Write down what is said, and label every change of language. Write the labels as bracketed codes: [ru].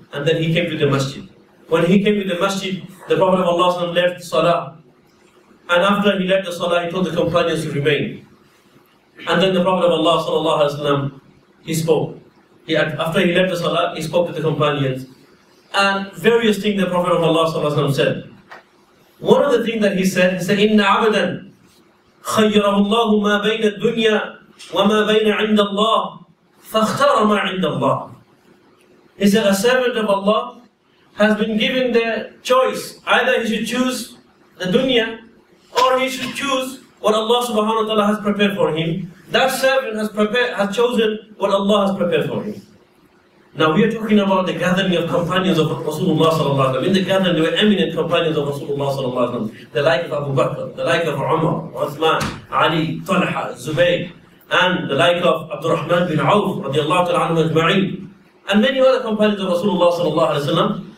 [en] And then he came to the masjid. When he came to the masjid, the Prophet of Allah sallam, left salah. And after he left the salah, he told the companions to remain. And then the Prophet of Allah sallallahu alayhi wa sallam, he spoke. After he left the salah, he spoke to the companions. And various things the Prophet of Allah sallallahu alayhi wa sallam said. [ar] One of the things that he said, إِنَّ عَبَدًا خَيَّرَهُ اللَّهُ مَا بَيْنَ الدُّنْيَا وَمَا بَيْنَ عِنْدَ اللَّهِ فَاخْتَرَ مَا عِنْدَ اللَّهِ. [en] He said, a servant of Allah has been given the choice. Either he should choose the dunya, or he should choose what Allah subhanahu wa ta'ala has prepared for him. That servant has chosen what Allah has prepared for him. Now we are talking about the gathering of companions of Rasulullah sallallahu alaihi wasallam. In the gathering, there were eminent companions of Rasulullah sallallahu alaihi wasallam, the like of Abu Bakr, the like of Umar, Uthman, Ali, Talha, Zubayr, and the like of Abdurrahman bin Auf radiallahu ta'ala anhu ajma'in, and many other companions of Rasulullah sallallahu alaihi wasallam.